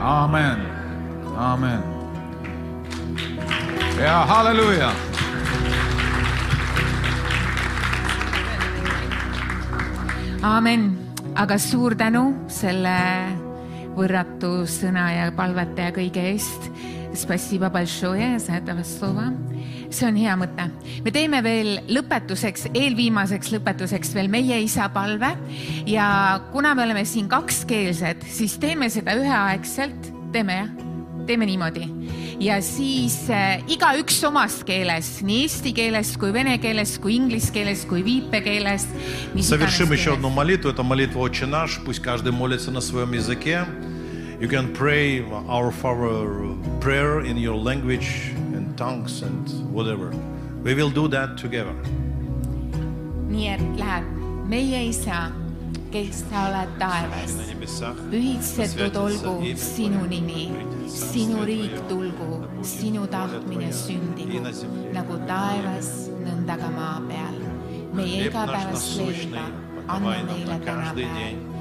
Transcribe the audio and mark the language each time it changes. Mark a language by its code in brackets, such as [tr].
[et] Amen! Amen! Ja halleluja! Aamen, aga suur tänu selle võrratu sõna ja palvete ja kõige eest. [ru] Спасибо большое за это слово. [et] See on hea mõte. Me teeme veel lõpetuseks, eelviimaseks lõpetuseks veel meie isa palve. Ja kuna me oleme siin kakskeelsed, siis teeme seda üheaegselt. Teeme niimoodi. Ja siis iga üks omas keeles, nii eesti keeles, kui vene keeles, kui inglis keeles, kui viipe keeles. [ru] Завершим еще одну молитву. Это молитва Отче наш. Пусть каждый молится на своем языке. [en] You can pray our Father prayer in your language and tongues and whatever. We will do that together. [et] Nii et läheb. Meie Isa, kes sa oled taevas, pühitsetud olgu sinu nimi, sinu riik tulgu, sinu tahtmine sündigu, nagu taevas nõndaga maa peal. Meie igapäevas leida, anna meile täna päev.